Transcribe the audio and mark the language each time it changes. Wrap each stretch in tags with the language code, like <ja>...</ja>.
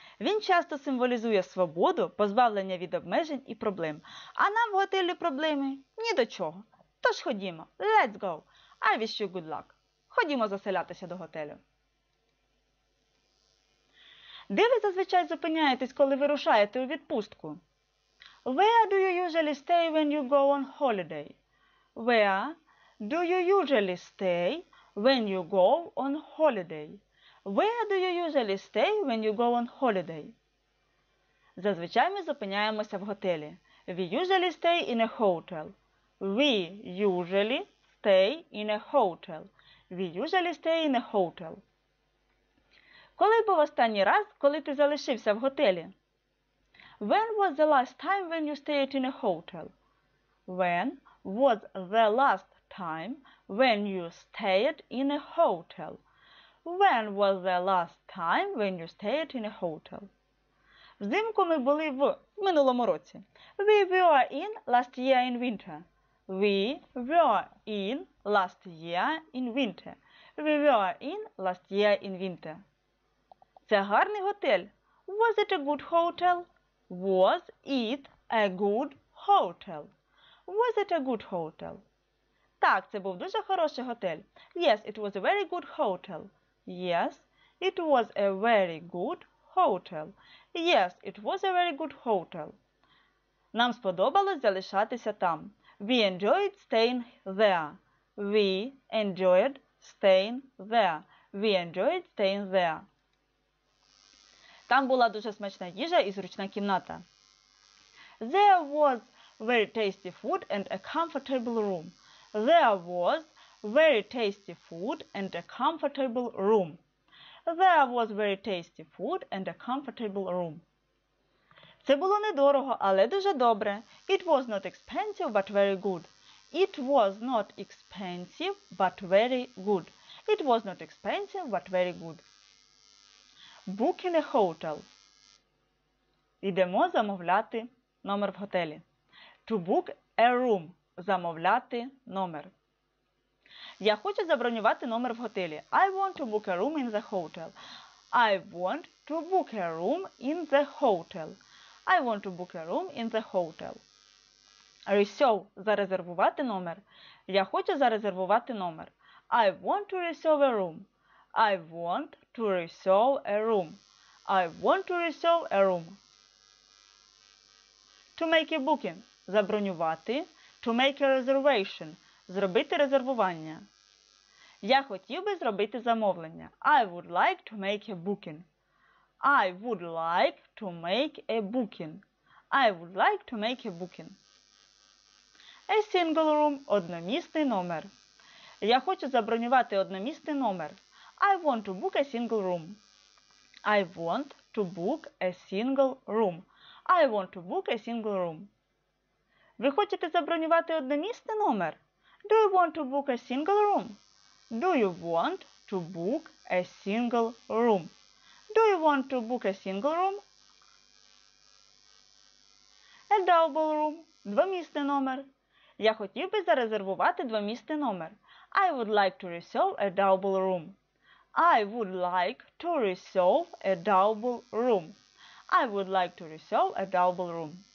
<uk>Він часто символізує свободу, позбавлення від обмежень і проблем. А нам в готелі проблеми? Ні до чого. Тож ходімо.</uk> <en>Let's go! I wish you good luck!</en> <uk>Ходімо заселятися до готелю. Де ви зазвичай зупиняєтесь, коли вирушаєте у відпустку?</uk> <en>Where do you usually stay when you go on holiday? Where do you usually stay when you go on holiday? Where do you usually stay when you go on holiday?</en> <uk>Зазвичай ми зупиняємося в готелі.</uk> <en>We usually stay in a hotel. We usually stay in a hotel. We usually stay in a hotel.</en> <uk>Коли був останній раз, коли ти залишився в готелі?</uk> <en>When was the last time when you stayed in a hotel? When was the last time when you stayed in a hotel? When was the last time when you stayed in a hotel?</en> <uk>Взимку ми були в минулому році.</uk> <en>We were in last year in winter. We were in last year in winter. We were in last year in winter.</en> <uk>Це гарний готель.</uk> <en>Was it a good hotel? Was it a good hotel? Was it a good hotel?</en> <uk>Так, це був дуже хороший готель.</uk> <en>Yes, it was a very good hotel. Yes, it was a very good hotel. Yes, it was a very good hotel.</en> <uk>Нам сподобалось залишатися там.</uk> <en>We enjoyed staying there. We enjoyed staying there. We enjoyed staying there.</en> <uk>Там була дуже смачна їжа і зручна кімната.</uk> <en>There was very tasty food and a comfortable room. There was very tasty food and a comfortable room. There was very tasty food and a comfortable room.</en> <uk>Це було недорого, але дуже добре.</uk> <en>It was not expensive, but very good. It was not expensive, but very good. It was not expensive, but very good. Book in a hotel.</en> <uk>Ідемо замовляти номер в готелі.</uk> <en>To book a room.</en> <uk>Замовляти номер. Я хочу забронювати номер в готелі.</uk> <en>I want to book a room in the hotel. I want to book a room in the hotel. I want to book a room in the hotel.</en> <uk>Reserve – зарезервувати номер. Я хочу зарезервувати номер.</uk> <en>I want to reserve a room. I want to reserve a room. I want to reserve a room. To make a booking – забронювати. To make a reservation –</en> <uk>зробити резервування. Я хотів би зробити замовлення.</uk> <en>I would like to make a booking. I would like to make a booking. I would like to make a booking. A single room –</en> <uk>одномісний номер. Я хочу забронювати одномісний номер.</uk> <en>I want to book a single room. I want to book a single room. I want to book a single room.</en> <uk>Ви хочете забронювати одномісний номер?</uk> <en>Do you want to book a single room? Do you want to book a single room? Do you want to book a single room? A double room –</en> <uk>двомісний номер. Я хотів би зарезервувати двомісний номер.</uk> <en>I would like to reserve a double room. I would like to reserve a double room. I would like to reserve a double room.</en>